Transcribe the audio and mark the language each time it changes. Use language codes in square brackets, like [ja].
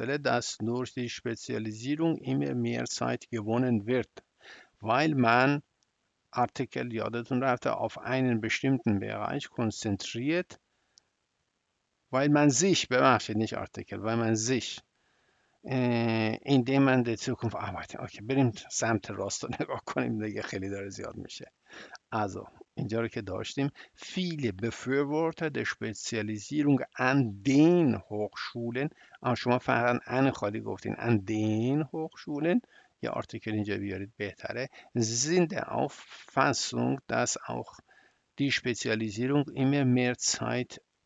[de] dass durch die Spezialisierung immer mehr Zeit gewonnen wird, weil man Artikel auf einen bestimmten Bereich konzentriert, weil man sich, beachtet nicht Artikel, weil man sich indem man der Zukunft arbeitet. [fa] Okay, بریم سمت راست رو نگاه کنیم دیگه خیلی داره زیاد میشه. [de] Also, [fa] اینجا رو که داشتیم, [de] viele Befürworter der Spezialisierung an den Hochschulen, [fa] آن شما فقط [de] an [fa] خالی گفتین, [de] an den Hochschulen, [fa] یا آرتیکل اینجا بیارید بهتره, [de] sind der Auffassung, dass auch die Spezialisierung immer mehr Zeit